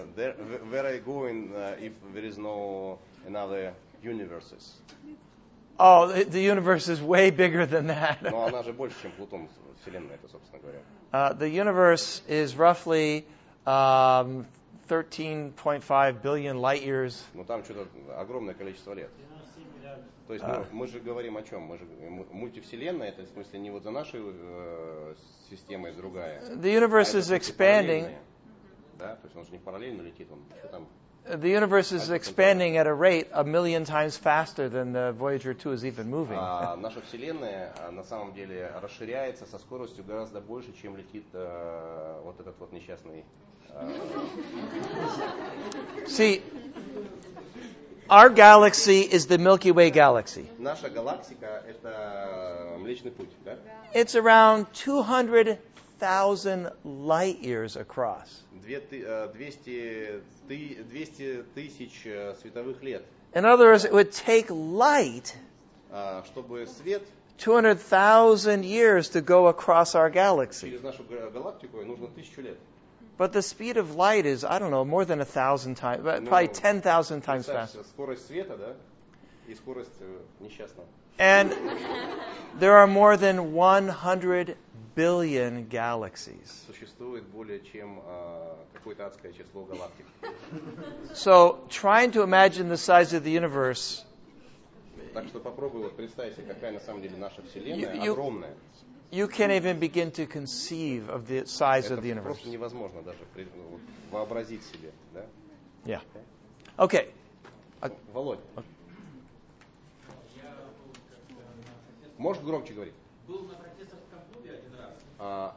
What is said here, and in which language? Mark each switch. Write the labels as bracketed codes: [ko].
[en] Where are you going if there is no another universes? Oh, the universe is way bigger than that. [ru] Но она же больше, чем Плутон, вселенная, это, собственно говоря. [en] The universe is roughly 13.5 billion light years. [ru] Ну там что-то огромное количество лет. То есть мы же говорим о чем? Мы же мультивселенная, это в смысле не вот за нашей системой другая. [en] The universe is expanding. [ru] Да, то есть он же не параллельно летит, он что там? [en] The universe is expanding at a rate a million times faster than the Voyager 2 is even moving. [ru] Наша вселенная на самом деле расширяется со скоростью гораздо больше, чем летит вот этот вот несчастный. [en] See, our galaxy is the Milky Way galaxy. [ru] Наша галактика это Млечный Путь, да? [en] It's around 200,000 light years across. [ru] 200,000 световых лет. [en] In other words, it would take light. [ru] Чтобы свет. [en] 200,000 years to go across our galaxy. [ru] Через нашу галактику нужно 1000 лет. [en] But the speed of light is, I don't know, more than 1,000 times, probably 10,000 times faster. [ru] Скорость света, да? И скорость несчастного. [en] And there are more than 100 billion galaxies. [ru] Существует более чем какое-то адское число галактик. [en] So trying to imagine the size of the universe. [ru] Так что попробуй вот представить себе, какая на самом деле наша вселенная огромная. [en] You can't even begin to conceive of the size of the universe. [ru] Просто невозможно даже вообразить себе, да? [en] Yeah. Okay. [ru] Володь. Можешь громче говорить? Был на профессорском клубе один раз.